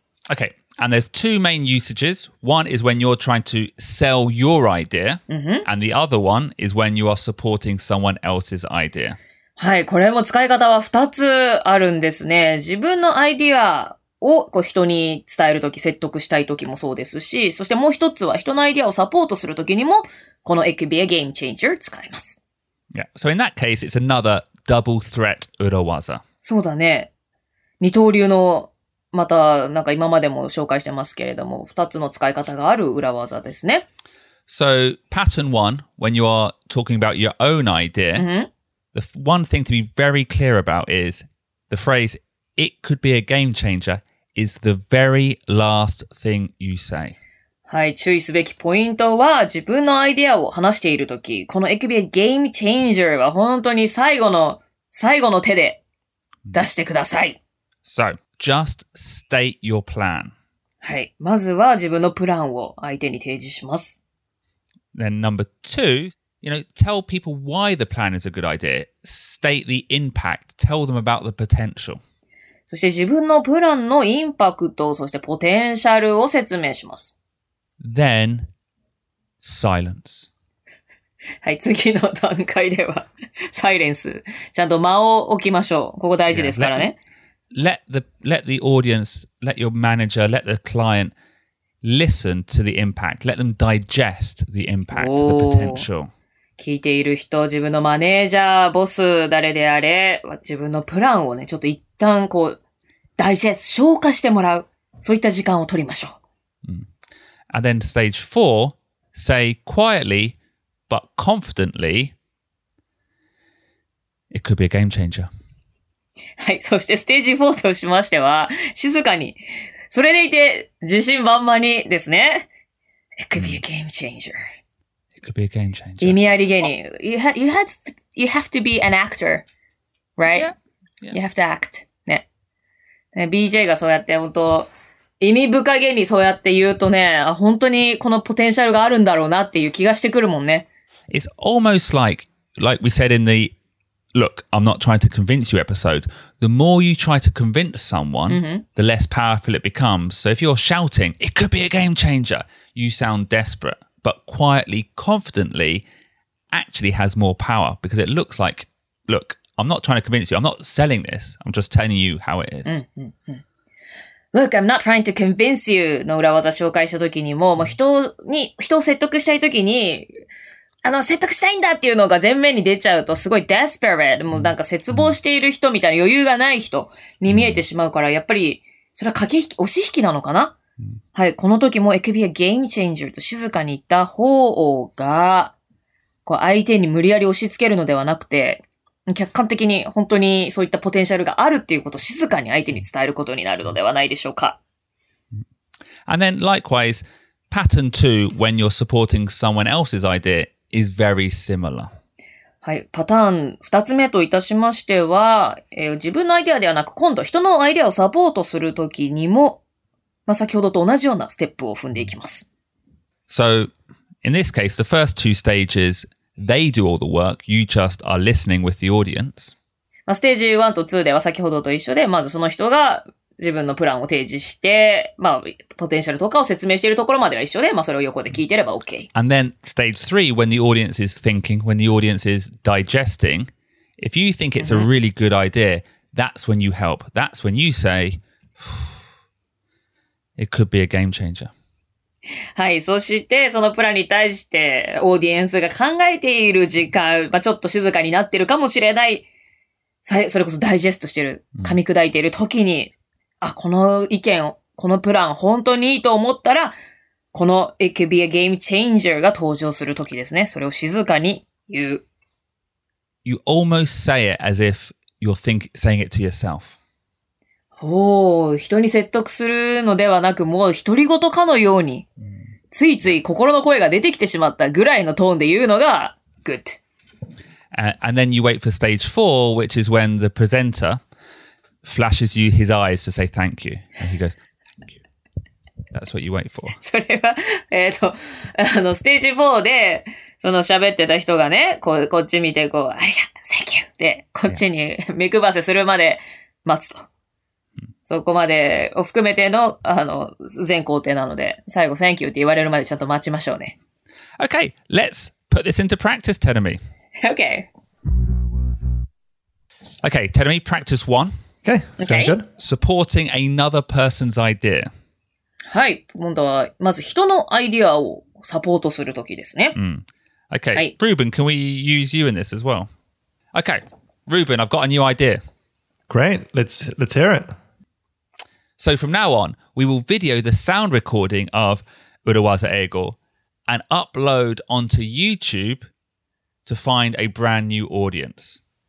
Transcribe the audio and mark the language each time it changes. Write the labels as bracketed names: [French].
[English] Okay. And there's two main usages. One is when you're trying to sell your idea.、 Mm-hmm. And the other one is when you are supporting someone else's idea. [Japanese] はい、これも使い方は二つあるんですね。自分のアイディア、をこう人に伝えるとき、説得したいときもそうですし、そしてもう一つは人のアイディアをサポートするときにも、この [English] It could be a game changer [Japanese] 使います。 [English] Yeah, so in that case, it's another double threat [Japanese] 裏技。そうだね。二刀流の、またなんか今までも紹介してますけれども、二つの使い方がある裏技ですね。 [English] So, pattern one, when you are talking about your own idea,、 mm-hmm. the one thing to be very clear about is the phraseIt could be a game changer is the very last thing you say. [Japanese] はい、注意すべきポイントは自分のアイデアを話しているとき、この [English] It could be a game changer [Japanese] は本当に最後の最後の手で出してください。 [English] So, just state your plan. [Japanese] はい、まずは自分のプランを相手に提示します。 [English] Then number two,You know, tell people why the plan is a good idea. State the impact. Tell them about the potential. [Japanese] そして自分のプランのインパクト、そしてポテンシャルを説明します。 [English] Then, silence. [Japanese] はい、次の段階では、サイレンス。ちゃんと間を置きましょう。ここ大事ですからね。 [English] Yeah, let the audience, let your manager, let the client listen to the impact. Let them digest the impact, the potential. [Japanese] 聞いている人、自分のマネージャー、ボス、誰であれ、自分のプランをね、ちょっと一旦こう、ダイジェスト、消化してもらう。そういった時間を取りましょう。 [English] And then stage four, say quietly, but confidently, it could be a game changer. [Japanese] はい、そしてステージ4としましては、静かに、それでいて、自信満々にですね、 [English] it could be a game changer. Could be a game changer. [Japanese] 意味ありげに。 [English] You have to be an actor, right? Yeah. Yeah. You have to act. ね。 [Japanese] ね、BJ がそうやって本当意味深げにそうやって言うとね、あ、本当にこのポテンシャルがあるんだろうなっていう気がしてくるもんね。 [English] It's almost like we said in the look. I'm not trying to convince you. Episode. The more you try to convince someone,、mm-hmm. the less powerful it becomes. So if you're shouting, "It could be a game changer," you sound desperate. But quietly, confidently, actually has more power because it looks like, look, I'm not trying to convince you. I'm not selling this. I'm just telling you how it is. Look, I'm not trying to convince you. [Japanese] の裏技紹介した時にも、もう人を説得したい時に、あの、説得したいんだっていうのが前面に出ちゃうと、すごい desperate。もうなんか絶望している人みたいな余裕がない人に見えてしまうから、やっぱり、それは駆け引き、押し引きなのかな? はい、この時も、 [English] it could be a game changer [Japanese] と静かに言った方が、こう相手に無理やり押し付けるのではなくて、客観的に本当にそういったポテンシャルがあるっていうことを静かに相手に伝えることになるのではないでしょうか。 [English] And then likewise, pattern two, when you're supporting someone else's idea, is very similar. [Japanese] はい、パターン二つ目といたしましては、自分のアイデアではなく、今度人のアイデアをサポートするときにも、まあ、先ほどと同じようなステップを踏んでいきます。 [English] So, in this case, the first two stages, they do all the work, you just are listening with the audience. [Japanese] まあ、ステージ1と2では先ほどと一緒で、まずその人が自分のプランを提示して、まあ、ポテンシャルとかを説明しているところまでは一緒で、まあ、それを横で聞いてれば OK。 [English] And then, stage 3, when the audience is thinking, when the audience is digesting, if you think it's a really good idea, that's when you help. That's when you say... It could be a game changer. [Japanese] はい、そしてそのプランに対してオーディエンスが考えている時間、まあ、ちょっと静かになってるかもしれない、それこそダイジェストしてる、噛み砕いている時に、あ、この意見、このプラン本当にいいと思ったら、この [English] It could be a game changer [Japanese] が登場する時ですね。それを静かに言う。 [English] You almost say it as if you're saying it to yourself. [Japanese] おお、人に説得するのではなく、もう独り言かのように、ついつい心の声が出てきてしまったぐらいのトーンで言うのが、good. [English] And then you wait for stage four, which is when the presenter flashes you his eyes to say thank you. And he goes, thank you. That's what you wait for. [Japanese] それは、あの、ステージ4で、その喋ってた人がね、こっち見て、こう、ありがとう、thank you. で、こっちに目配せするまで待つと。そこまでを含めての、あの、全工程なので、最後、thank you って言われるまでちゃんと待ちましょうね。 [English] Okay, let's put this into practice, Terumi. Okay. Okay, Terumi, practice one. Okay, it's going good. Supporting another person's idea. [Japanese] はい、今度は、まず人のアイデアをサポートするときですね。 [English] Okay, Ruben, can we use you in this as well? Okay, Ruben, I've got a new idea. Great, let's hear it. So from now on, we will video the sound recording of Urawaza Eigo and upload onto YouTube to find a brand new audience.